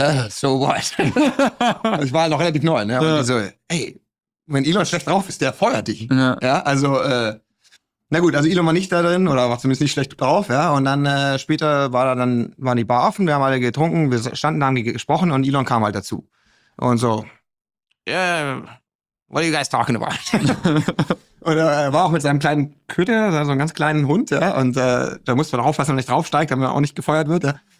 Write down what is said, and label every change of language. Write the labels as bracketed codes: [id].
[en] so what? [de] Ich war noch relativ neu, ne? Und ja. So, ey, wenn Elon schlecht drauf ist, der feuert dich. Ja. Ja, also, na gut, also Elon war nicht da drin oder war zumindest nicht schlecht drauf, ja. Und dann später waren die Bar offen, wir haben alle getrunken, wir standen da, haben gesprochen und Elon kam halt dazu. Und so, [en] yeah, what are you guys talking about? [de] Und er war auch mit seinem kleinen Köter, so einem ganz kleinen Hund, ja. Und da musste man aufpassen, wenn er nicht draufsteigt, damit er auch nicht gefeuert wird, ja.